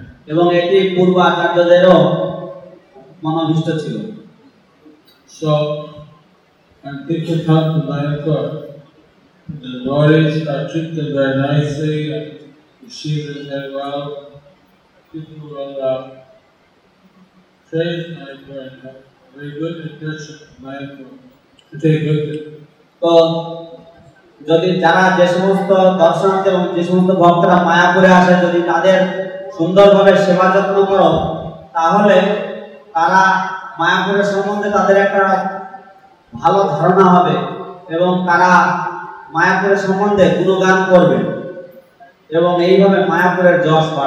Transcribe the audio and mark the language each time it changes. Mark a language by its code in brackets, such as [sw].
[bn] এবং এটি পূর্ব আচার্যদেরও মনোভীষ্ট ছিল। [en] So, when people come to Māyāpur, the devotees are treated very nicely and receive it very well. People will praise Māyāpur and have a very good impression of Māyāpur. To take good care. [bn] So, যদি যারা যে সমস্ত দর্শনার্থী এবং যে সমস্ত ভক্তরা মায়াপুরে আসে যদি তাদের সুন্দরভাবে সেবা যত্ন করো তাহলে তারা মায়াপুরের সম্বন্ধে তাদের একটা ভালো ধারণা হবে এবং তারা মায়াপুরের সম্বন্ধে গুণগান করবে এবং এইভাবে মায়াপুরের যশ